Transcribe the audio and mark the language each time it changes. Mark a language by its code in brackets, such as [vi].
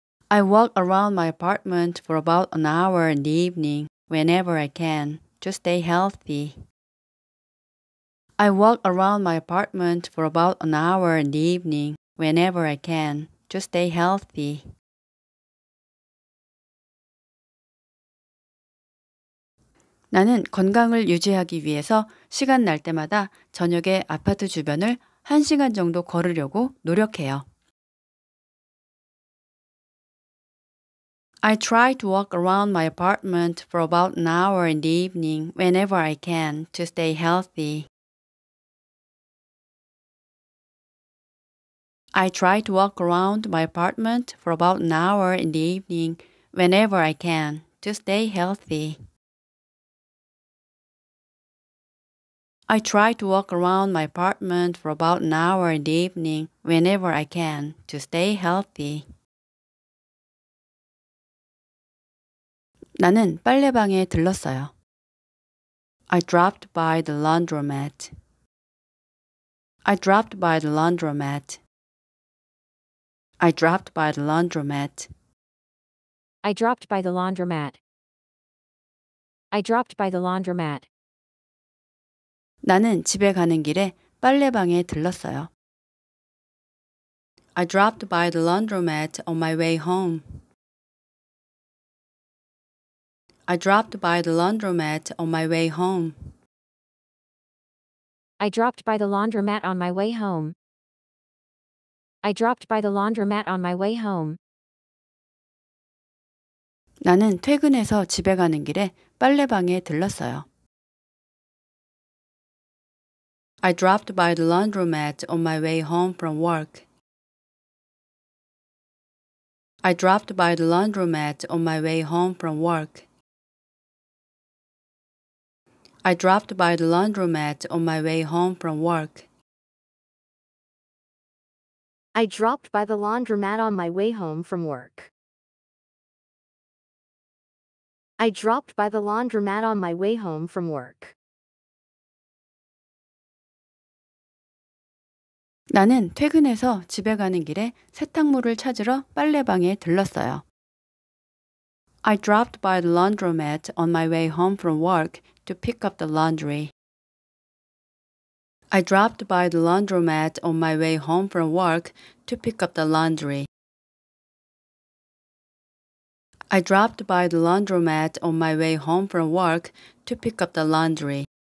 [en] I walk around my apartment for about an hour in the evening whenever I can to stay healthy. I walk around my apartment for about an hour in the evening whenever I can to stay healthy. [ko] 나는 건강을 유지하기 위해서 시간 날 때마다 저녁에 아파트 주변을 한 시간 정도 걸으려고 노력해요. [en] I try to walk around my apartment for about an hour in the evening whenever I can to stay healthy. I try to walk around my apartment for about an hour in the evening whenever I can to stay healthy. I try to walk around my apartment for about an hour in the evening whenever I can to stay healthy. [ko] 나는 빨래방에 들렀어요. [en] I dropped by the laundromat. I dropped by the laundromat. I dropped by the laundromat. I dropped by the laundromat. I dropped by the laundromat. [ko] 나는 집에 가는 길에 빨래방에 들렀어요. [en] I dropped by the laundromat on my way home. I dropped by the laundromat on my way home. I dropped by the laundromat on my way home. I dropped by the laundromat on my way home. [ko] 나는 퇴근해서 집에 가는 길에 빨래방에 들렀어요. [en] I dropped by the laundromat on my way home from work. I dropped by the laundromat on my way home from work. I dropped by the laundromat on my way home from work. I dropped by the laundromat on my way home from work. I dropped by the laundromat on my way home from work. [ko] 나는 퇴근해서 집에 가는 길에 세탁물을 찾으러 빨래방에 들렀어요. [en] I dropped by the laundromat on my way home from work to pick up the laundry. I dropped by the laundromat on my way home from work to pick up the laundry. I dropped by the laundromat on my way home from work to pick up the laundry.